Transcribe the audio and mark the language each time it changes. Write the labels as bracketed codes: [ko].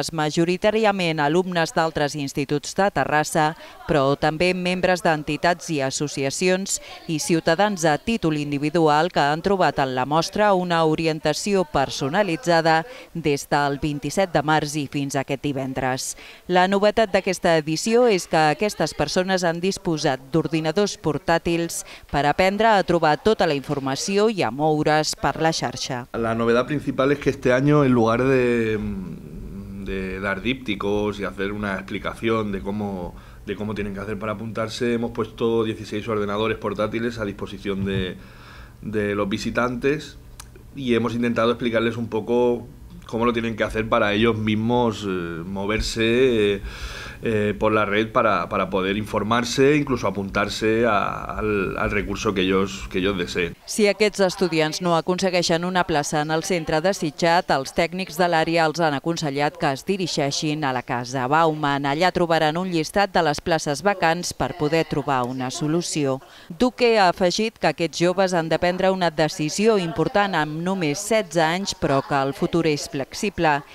[ca] alumnes, majoritàriament alumnes d'altres instituts de Terrassa, però també membres d'entitats i associacions i ciutadans a títol individual que han trobat en la mostra una orientació personalitzada des del 27 de març i fins aquest divendres. La novetat d'aquesta edició és que aquestes persones han disposat d'ordinadors portàtils per aprendre a trobar tota la informació i a moure's per la xarxa. [es] La novedad principal es que este año, en lugar de dar dípticos y hacer una explicación de cómo tienen que hacer para apuntarse, hemos puesto 16 ordenadores portátiles a disposición de los visitantes y hemos intentado explicarles un poco cómo lo tienen que hacer para ellos mismos moverse por la red para poder informarse, incluso apuntarse al recurso que ellos deseen. [ca] Si aquests estudiants no aconsegueixen una plaça en el centre desitjat, els tècnics de l'àrea els han aconsellat que es dirigeixin a la Casa Bauman. Allà trobaran un llistat de les places vacants per poder trobar una solució. Duque ha afegit que aquests joves han de prendre una decisió important amb només 16 anys, però que el futur és flexible.